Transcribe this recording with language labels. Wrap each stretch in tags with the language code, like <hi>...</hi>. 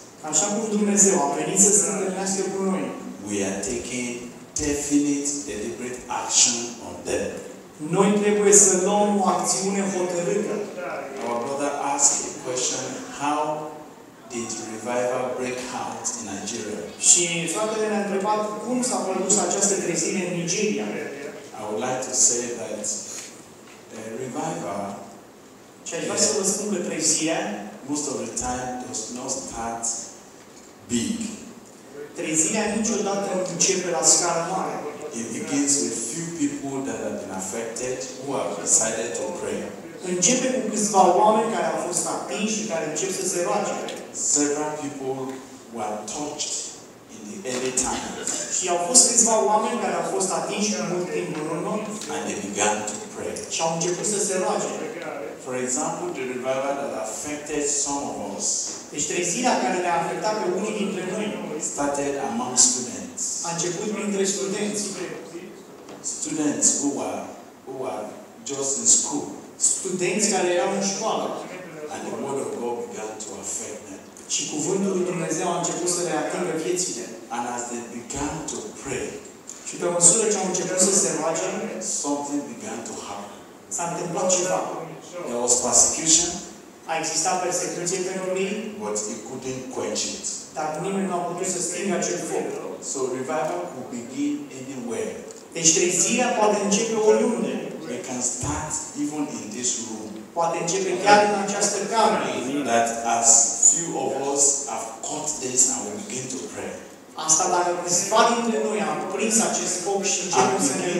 <ro>Așa cum Dumnezeu a venit să se întâlnească cu noi.</ro> <en>We are taking definite, deliberate action on them.</en> <ro>Noi trebuie să luăm o acțiune hotărâtă.</ro> <en>Our brother asked a question, how did revival break out in Nigeria?</en> <ro>Și fratele ne-a întrebat cum s-a produs această trezire în Nigeria.</ro> <en>I would like to say that revival,</en> <ro>ce aș vrea să vă spun că trezirea,</ro> <en>most of the time does not start big.</en> <ro>Trezirea niciodată nu începe la scară mare.</ro> <en>It begins with few people that have been affected, who have decided to pray.</en> <ro>Începe cu câțiva oameni care au fost atinși și care încep să se roage.</ro> <en>Several people were touched in the early times.</en> <ro>Și au fost câțiva oameni care au fost atinși în mult timp în urmă.</ro> <en>And they began to pray.</en> <ro>Și au început să se roage.</ro> <en>For example, the revival that affected some of us.</en> <ro>Deci trezirea care ne-a afectat pe unii dintre noi</ro> <en>started among students.</en> <ro>A început printre studenți.</ro> <en>Students who are just in school.</en> <ro>Studenți care erau în școală.</ro> <en>And the word of God began to affect them.</en> <ro>Și cuvântul lui Dumnezeu a început să le atingă viețile.</ro> <en>And as they began to pray.</en> <ro>Și pe măsură ce au început să se roage,</ro> <en>something began to happen.</en> <ro>S-a întâmplat ceva.</ro> <en>There was persecution.</en> <ro>A existat persecuție pentru ei.</ro> <en>But it couldn't quench it.</en> <ro>Dar nimeni nu a putut să stingă acel foc.</ro> <en>So revival could begin anywhere.</en> <ro>Deci trezirea poate începe oriunde.</ro> <en>It can start even in this room.</en> <ro>Poate începe chiar în această cameră.</ro> <en>That as few of us have caught this and we begin to pray.</en> <ro>Asta dacă câțiva dintre noi am prins acest foc și începem să ne</ro>